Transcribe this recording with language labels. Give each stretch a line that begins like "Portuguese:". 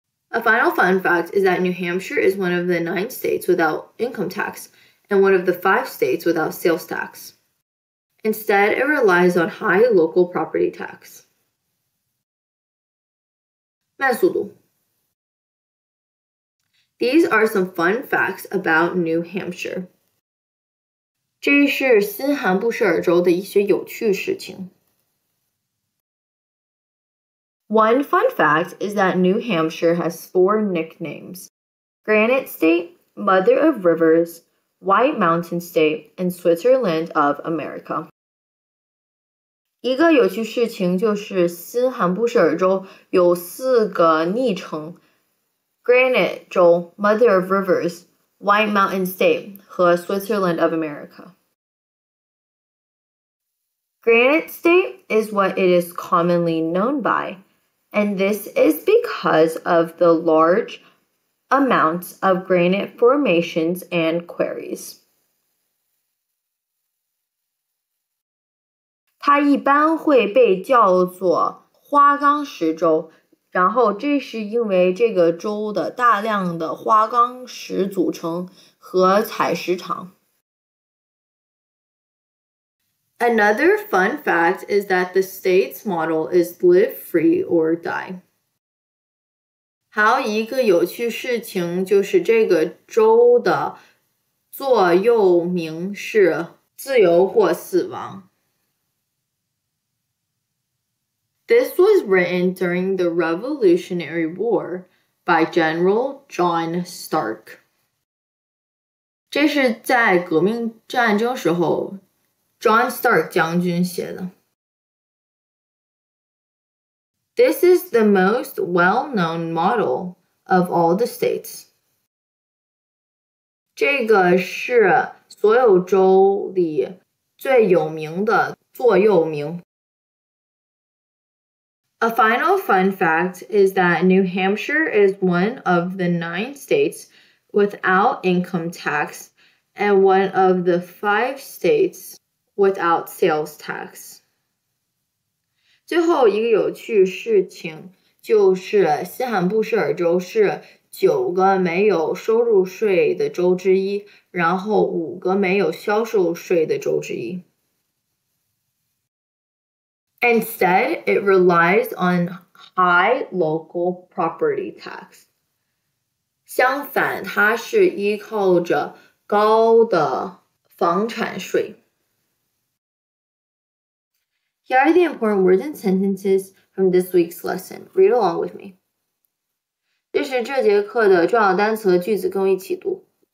English: A final fun fact is that New Hampshire is one of the 9 states without income tax and one of the 5 states without sales tax. Instead, it relies on high local property tax.
Chinese: 慢速度。
English: These are some fun facts about New Hampshire.
Chinese: 这是新罕布什尔州的一些有趣事情。
English: One fun fact is that New Hampshire has 4 nicknames. Granite State, Mother of Rivers, White Mountain State, and Switzerland of America.
Chinese: 一个有趣事情就是新罕布什尔州有四个昵称。
English: Granite 州 Mother of Rivers, White Mountain State 和 Switzerland of America. Granite State is what it is commonly known by, and this is because of the large amounts of granite formations and quarries.
Chinese: 它一般会被叫做花岗石州。然后这是因为这个州的大量的花岗石组成和采石场。
English: Another fun fact is that the state's motto is live free or die.
Chinese: 还有一个有趣事情就是这个州的座右铭是自由或死亡。
English: This was written during the Revolutionary War by General John Stark.
Chinese: 这是在革命战争时候 John Stark 将军写的。
English: This is the most well-known motto of all the states.
Chinese: 这个是所有州里最有名的座右铭。
English: A final fun fact is that New Hampshire is one of the 9 states without income tax and one of the 5 states without sales tax.
Chinese: 最后一个有趣事情就是新罕布什尔州是九个没有收入税的州之一，然后五个没有销售税的州之一。
English: Instead, it relies on high local property tax.
Chinese: 相反，它是依靠着高的房产税。
English: Here are the important words and sentences from this week's lesson. Read along with me.
Chinese: 这是这节课的重要单词和句子，跟我一起读。